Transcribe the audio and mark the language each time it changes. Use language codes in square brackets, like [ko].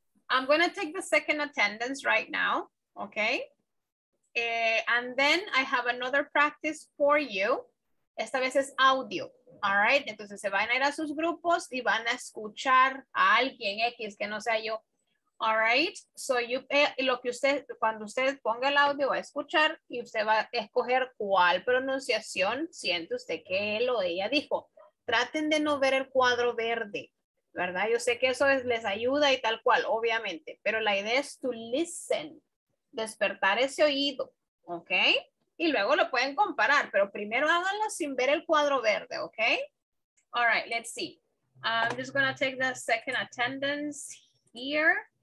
[en] I'm going to take the second attendance right now, okay? And then I have another practice for you. [es] Esta vez es audio. [en] All right? [es] Entonces se van a ir a sus grupos y van a escuchar a alguien X que no sea yo. [en] All right, so [es] cuando usted ponga el audio va a escuchar y usted va a escoger cuál pronunciación siente usted que él o ella dijo. Traten de no ver el cuadro verde, ¿verdad? Yo sé que eso les ayuda y tal cual, obviamente, pero la idea es [en] to listen, [es] despertar ese oído, ¿ok? Y luego lo pueden comparar, pero primero háganlo sin ver el cuadro verde, ¿ok? [en] All right, let's see. I'm just going to take the second attendance here.